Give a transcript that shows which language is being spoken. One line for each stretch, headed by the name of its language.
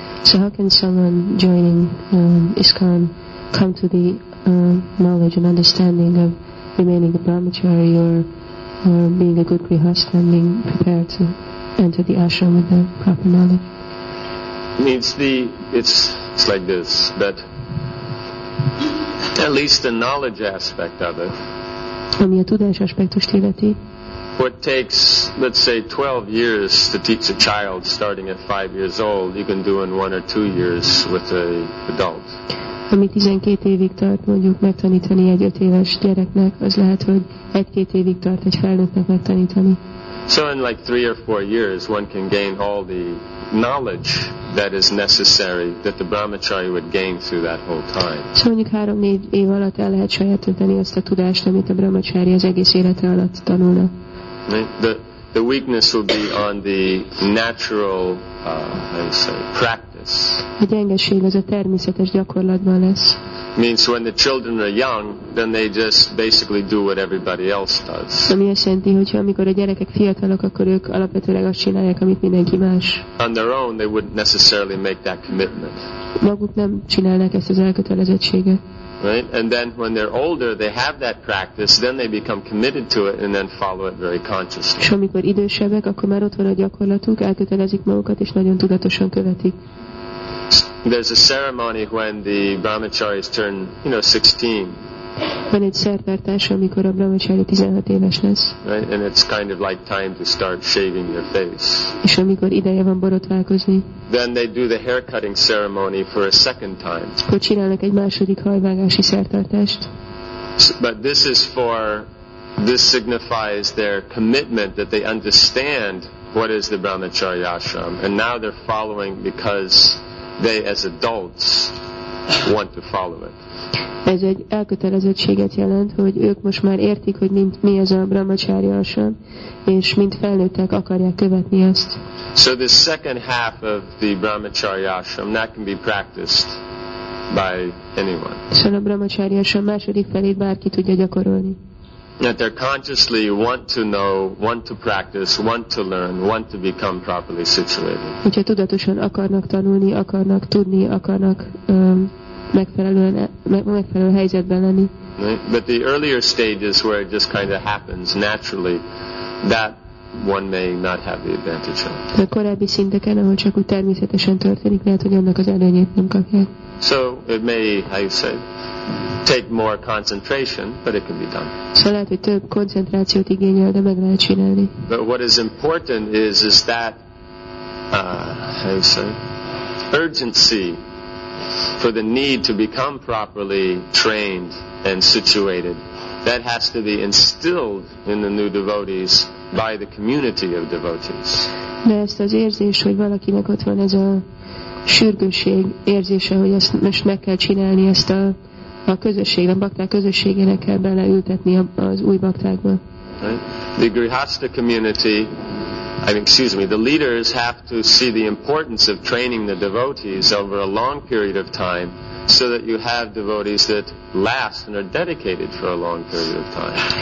English: So how can someone joining ISKCON come to the knowledge and understanding of remaining a brahmachari or being a good grihastha and being prepared to enter the ashram with the proper knowledge? It's like this, that at least the knowledge aspect of it,
Hungarian: ami a tudás aspektust illeti.
English: What takes, let's say, 12 years to teach a child starting at 5 years old, you can do in 1 or 2 years with an adult.
Hungarian: Ami 12 évig tart, mondjuk megtanítani egy 5 éves gyereknek, az lehet, hogy 1-2 évig tart egy felnőttnek megtanítani.
English: So in like 3 or 4 years, one can gain all the knowledge that is necessary that the brahmachari would gain through that whole time.
Hungarian: So mondjuk 3-4 év alatt el lehet sajátítani azt a tudást, amit a brahmachari az egész élete alatt tanulna.
English: The weakness will be on the natural practice.
Hungarian: A gyengeség az a természetes gyakorlatban lesz.
English: means when the children are young, then they just basically do what everybody else does.
Hungarian: Ami azt jelenti, hogyha amikor a gyerekek fiatalok, akkor ők alapvetőleg azt csinálják, amit mindenki más.
English: On their own, they wouldn't necessarily make that commitment.
Hungarian: Maguk nem csinálnak ezt az elkötelezettséget.
English: Right? And then when they're older, they have that practice, then they become committed to it and then follow it very consciously.
Hungarian: És amikor idősebbek, akkor már ott van a gyakorlatuk, elkötelezik magukat és nagyon tudatosan követik.
English: There's a ceremony when the brahmacharis turn, you know, 16.
Hungarian: Van egy szertartás, amikor a brahmacsári 16 éves lesz.
English: Right? And it's kind of like time to start shaving your face.
Hungarian: És amikor ideje van borotválkozni.
English: Then they do the haircutting ceremony for a second time.
Hungarian: Akkor csinálnak egy második hajvágási szertartást.
English: But this is for, this signifies their commitment that they understand what is the brahmacharya ashram. And now they're following because they as adults want to follow it.
Hungarian: Ez egy elkötelezettséget jelent, hogy ők most már értik, hogy mi ez a brahmacharya ashram, és mint felnőttek akarják követni ezt.
English: So the second half of the brahmacharya ashram that can be practiced by anyone.
Hungarian: Szóval a brahmacharya ashram második felét bárki tudja gyakorolni.
English: That they consciously want to know, want to practice, want to learn, want to become properly situated.
Hungarian: Hogyha tudatosan akarnak tanulni, akarnak tudni, akarnak megfelelő helyzetben lenni.
English: But the earlier stages where it just kind of happens naturally, that one may not have the advantage of.
Hungarian: A korábbi szinteken, ahol csak úgy természetesen történik, lehet, hogy annak az előnyét nem kapják.
English: So it may, how you say, take more concentration, but it can be done.
Hungarian: So lehet, hogy több koncentrációt igényel, de meg lehet csinálni.
English: But what is important is that how you say, urgency for the need to become properly trained and situated. That has to be instilled in the new devotees by the community of devotees.
Hungarian: De ezt az érzés, hogy valakinek ott van ez a sürgősség érzése, hogy ezt most meg kell csinálni, ezt a közösségben, a bakták közösségének kell beleültetni az új baktákba.
English: The grihastha community, the leaders have to see the importance of training the devotees over a long period of time so that you have devotees that last and are dedicated for a long period of time.